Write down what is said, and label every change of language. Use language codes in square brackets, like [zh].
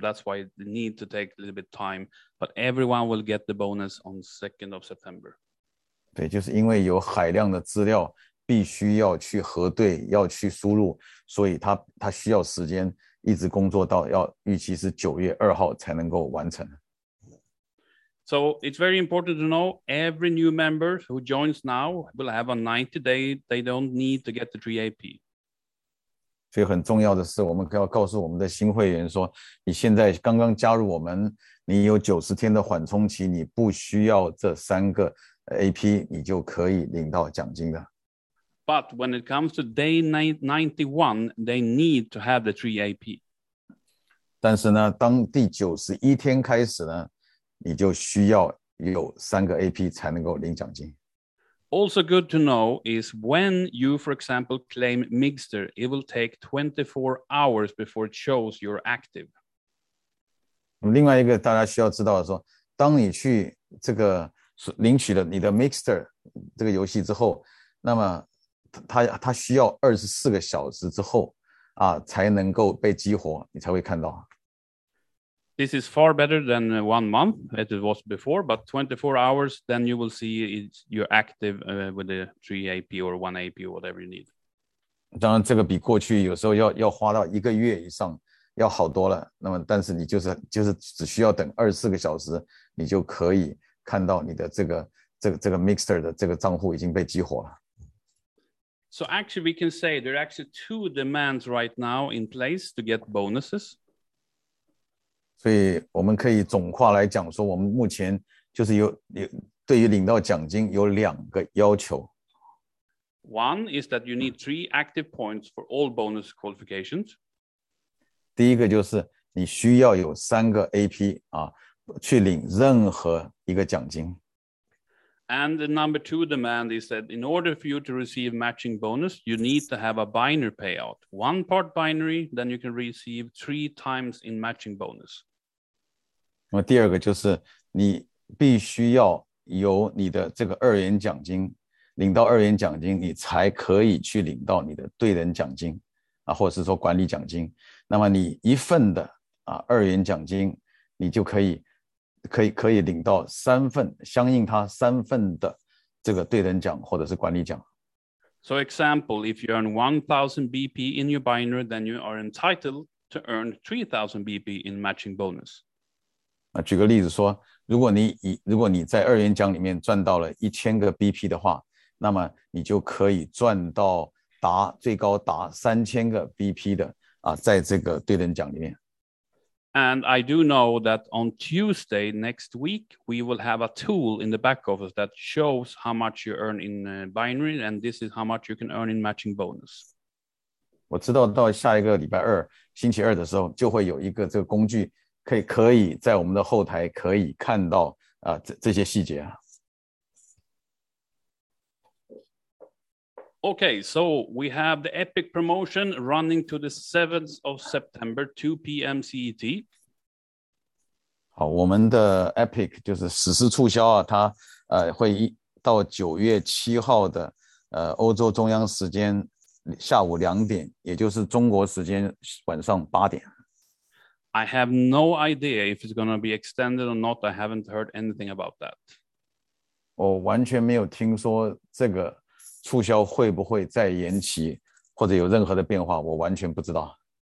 [en] That's why it need to take a little bit time. But everyone will get the bonus on 2nd of September. [zh] 对，就是因为有海量的资料必须要去核对，要去输入，所以他需要时间，一直工作到要预期是9月2号才能够完成。 [en] So it's very important to know every new member who joins now will have a 90 day they don't need to get the 3 AP. [zh] 所以很重要的是我们要告诉我们的新会员说，你现在刚刚加入我们，你有90天的缓冲期，你不需要这三个AP， 你就可以领到奖金的。 [en] But when it comes to day 91, they need to have the 3 AP. [zh] 但是呢，当第91天开始呢，你就需要有三个 AP 才能够领奖金。 [en] Also good to know is when you, for example, claim Migster, it will take 24 hours before it shows you're active. [zh] 另外一个大家需要知道的是，当你去这个领取了你的 Mixer 这个游戏之后，那么它需要24个小时之后啊才能够被激活，你才会看到。 [en] This is far better than 1 month as it was before, but 24 hours, then you will see you're active with the 3 AP or 1 AP or whatever you need. [zh] 当然这个比过去有时候要花到一个月以上要好多了，那么但是你就是只需要等24个小时，你就可以看到你的这个 Mixer 的这个账户已经被激活了。 [en] So actually, we can say there are actually two demands right now in place to get bonuses. [zh] 所以我们可以总括来讲说，我们目前就是有对于领到奖金有两个要求。 [en] One is that you need 3 active points for all bonus qualifications. [zh] 第一个就是你需要有三个 AP 啊。去领任何一个奖金。 [en] And the number two demand is that in order for you to receive matching bonus, you need to have a binary payout. One part binary, then you can receive 3 times in matching bonus. [zh] 那么第二个就是你必须要有你的这个二元奖金，领到二元奖金，你才可以去领到你的对等奖金，啊，或者是说管理奖金。那么你一份的啊二元奖金，你就可以领到三份，相应他三份的这个对等奖或者是管理奖。 [en] So example, if you earn 1,000 BP in your binary, then you are entitled to earn 3,000 BP in matching bonus. [zh] 啊，举个例子说，如果你在二元奖里面赚到了1000个 BP 的话，那么你就可以赚到最高达3000个 BP 的啊，在这个对等奖里面。 [en] And I do know that on Tuesday next week, we will have a tool in the back office that shows how much you earn in binary, and this is how much you can earn in matching bonus. [zh] 我知道到下一个礼拜二，星期二的时候，就会有一个这个工具，可以在我们的后台可以看到这些细节。 [en] Okay, so we have the epic promotion running to the 7th of September, 2 p.m. CET. [zh] 好，我们的 epic 就是史诗促销啊，它会到9月7号的欧洲中央时间下午两点，也就是中国时间晚上八点。 [en] I have no idea if it's going to be extended or not. I haven't heard anything about that. [zh] 我完全没有听说这个促销会不会再延期，或者有任何的变化，我完全不知道。